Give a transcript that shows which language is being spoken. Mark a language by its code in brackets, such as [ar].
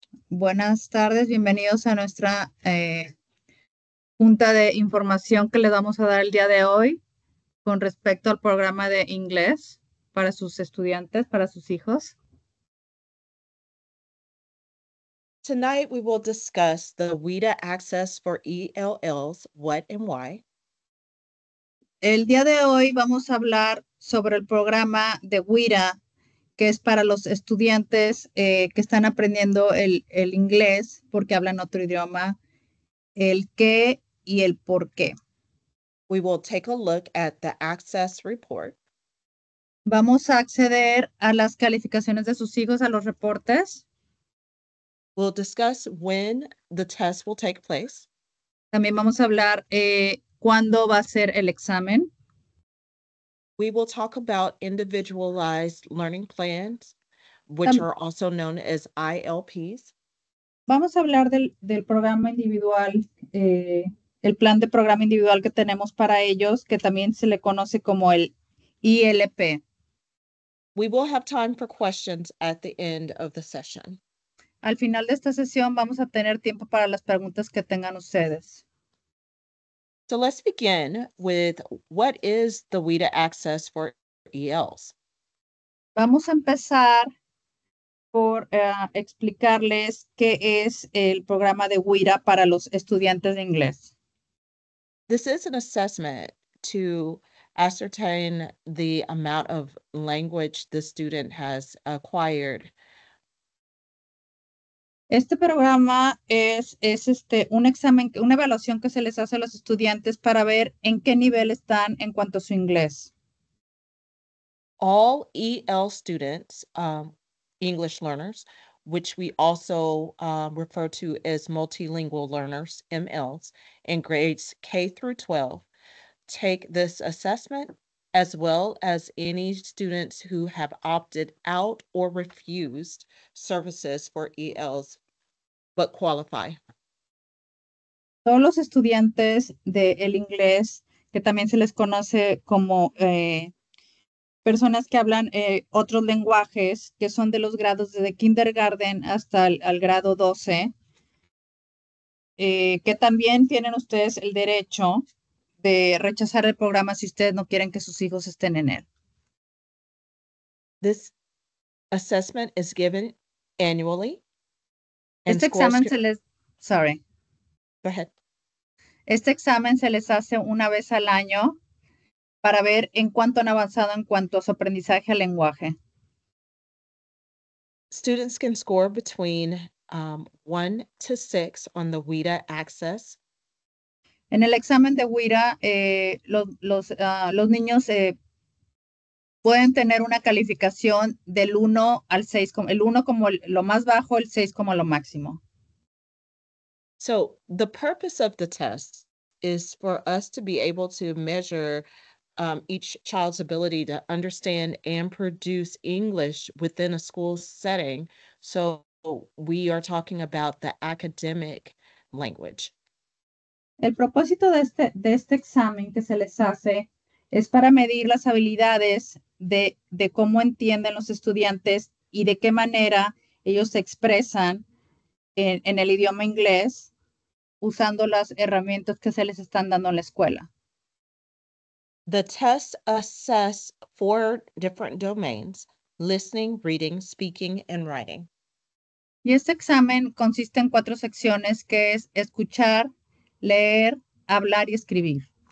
[es] Buenas tardes, bienvenidos a nuestra junta de información que le vamos a dar el día de hoy con respecto al programa de inglés para sus estudiantes, para sus hijos. [en] Tonight we will discuss the WIDA access for ELLs, what and why. [es] El día de hoy vamos a hablar sobre el programa de WIDA, que es para los estudiantes que están aprendiendo el inglés porque hablan otro idioma, el qué y el por qué. [en] We will take a look at the access report. [es] Vamos a acceder a las calificaciones de sus hijos, a los reportes. [en] We'll discuss when the test will take place. [es] También vamos a hablar cuándo va a ser el examen. [en] We will talk about individualized learning plans, which are also known as ILPs. [es] Vamos a hablar del programa individual, el plan de programa individual que tenemos para ellos, que también se le conoce como el ILP. [en] We will have time for questions at the end of the session. [es] Al final de esta sesión vamos a tener tiempo para las preguntas que tengan ustedes. [en] So let's begin with what is the WIDA access for ELs? [es] Vamos a empezar por explicarles qué es el programa de WIDA para los estudiantes de inglés. [en] This is an assessment to ascertain the amount of language the student has acquired. [es] Este programa es este un examen, una evaluación que se les hace a los estudiantes para ver en qué nivel están en cuanto a su inglés. [en] All EL students, English learners, which we also refer to as multilingual learners, MLs, in grades K through 12, take this assessment, as well as any students who have opted out or refused services for ELs but qualify. [es] Todos los estudiantes del inglés, que también se les conoce como personas que hablan otros lenguajes, que son de los grados desde kindergarten hasta al grado 12, que también tienen ustedes el derecho de rechazar el programa si ustedes no quieren que sus hijos estén en él. [en] This assessment is given annually. [es] Este examen se les, sorry. [en] Go ahead. [es] Este examen se les hace una vez al año para ver en cuánto han avanzado en cuanto a su aprendizaje al lenguaje. [en] Students can score between 1 to 6 on the WIDA access. [es] En el examen de WIDA, los niños pueden tener una calificación del 1 al 6, el 1 como lo más bajo, el 6 como lo máximo. [en] So the purpose of the test is for us to be able to measure each child's ability to understand and produce English within a school setting. So we are talking about the academic language. [es] El propósito de este examen que se les hace es para medir las habilidades de cómo entienden los estudiantes y de qué manera ellos se expresan en el idioma inglés usando las herramientas que se les están dando en la escuela. [en] The test assess 4 different domains: listening, reading, speaking, and writing. [es] Y este examen consiste en 4 secciones, que es escuchar, leer, hablar y escribir.